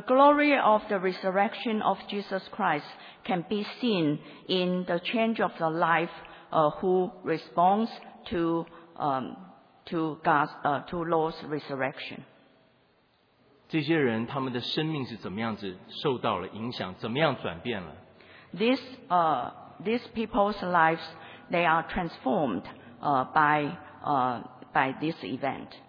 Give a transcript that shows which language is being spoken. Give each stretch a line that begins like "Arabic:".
English: glory of the resurrection of Jesus Christ can be seen in the change of the life who responds to Lord's resurrection.
Chinese: 这些人他们的生命是怎么样子受到了影响，怎么样转变了？
English: These people's lives, they are transformed by this event.